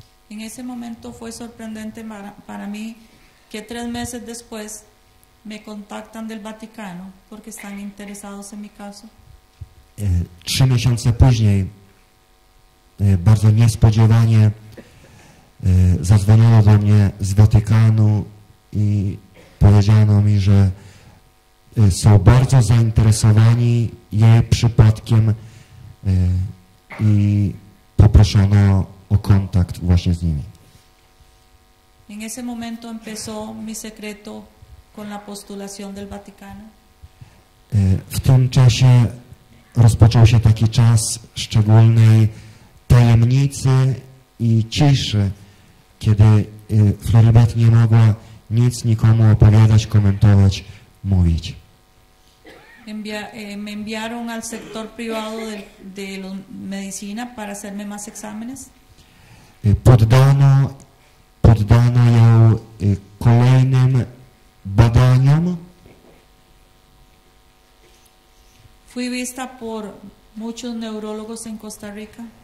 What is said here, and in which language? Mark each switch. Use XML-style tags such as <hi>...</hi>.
<es>En ese momento fue sorprendente para mí que tres meses después me contactan del Vaticano porque están interesados en mi caso.</es> <pl>Trzy miesiące później bardzo niespodziewanie zadzwoniono do mnie z Watykanu i powiedziano mi, że są bardzo zainteresowani jej przypadkiem i poproszono o kontakt właśnie z nimi.</pl> <es>En ese momento empezó mi secreto con la postulación del Vaticano.</es> <pl>W tym czasie rozpoczął się taki czas szczególnej tajemnicy i ciszy, kiedy Floribeth nie mogła nic nikomu opowiadać, komentować, mówić.</pl> <es>Me enviaron al sector privado de medicina para hacerme más exámenes.</es> <pl>Poddano ją kolejnym badaniom.</pl> <es>Fui vista por muchos neurólogos en Costa Rica.</es>